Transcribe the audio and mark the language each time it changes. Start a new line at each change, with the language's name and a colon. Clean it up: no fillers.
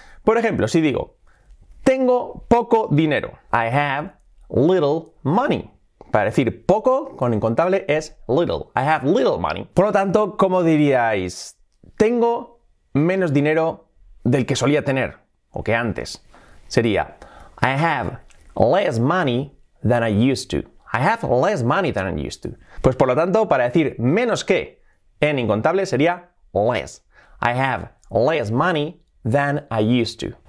Spanish: Por ejemplo, si digo, tengo poco dinero.
English: I have little money.
Spanish: Para decir poco con incontable es
English: little. I have little money.
Spanish: Por lo tanto, ¿cómo diríais? Tengo menos dinero del que solía tener o que antes. Sería
English: I have less money than I used to. I have less money than I used to.
Spanish: Pues por lo tanto, para decir menos que en incontable sería less.
English: I have less money than I used to.